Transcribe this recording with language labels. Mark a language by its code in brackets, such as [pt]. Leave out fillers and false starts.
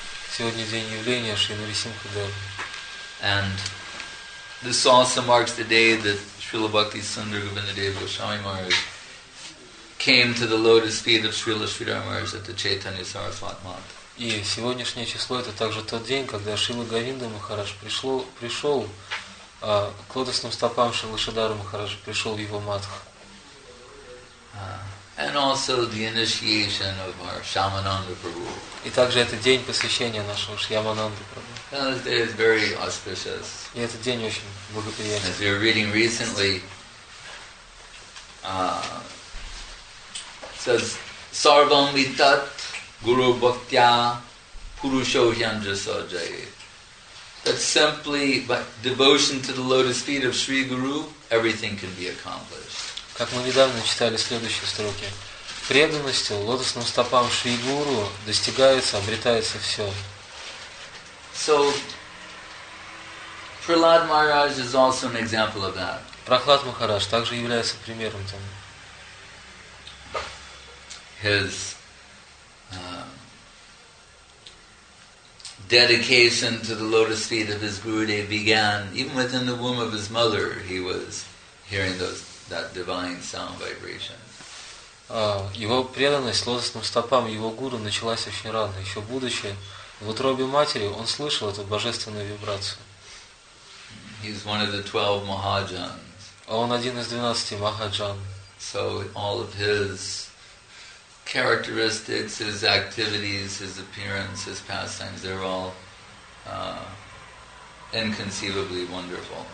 [ru] Сегодня день явления Шри Нарисимха Деви. [en] And this also marks the day that Srila Bhakti Sundara Govinda Deva Goswami Maharaj came to the lotus feet of Srila Sridhar Maharaj at the Chaitanya Sarasvat Mat. [ru] И сегодняшнее число это также тот день, когда Шрила Говинда Махарадж пришел к лотосным стопам Шрила Шридхара Махараджа, пришел в его матх. [en] And also the initiation of our Shyamananda Prabhu. [ru] И также это день посвящения нашего Шьямананды Прабху. [en] This day is very auspicious. [ru] И этот день очень благоприятен. [en] As we were reading recently, says [sa] Sarvam Vitat Guru Bhaktya Purusho Hyanjasa Jaye. [en] That simply by devotion to the lotus feet of Sri Guru, everything can be accomplished. [ru] Как мы недавно читали следующие строки. Преданностью, лотосным стопам Шри Гуру достигается, обретается все. [en] So, Prahlad Maharaj is also an example of that. [ru] Прохлад Махарадж также является примером тому. [en] His dedication to the lotus feet of his Gurudev began, even within the womb of his mother, he was hearing those that divine sound vibration. [ru] Его преданность лотосным стопам его гуру началась очень рано, еще будучи в утробе матери, он слышал эту божественную вибрацию. [en] He's one of the 12 Mahajans. [ru] Он один из 12 Mahajan. [en] So all of his characteristics, his activities, his appearance, his pastimes, they're all inconceivably wonderful.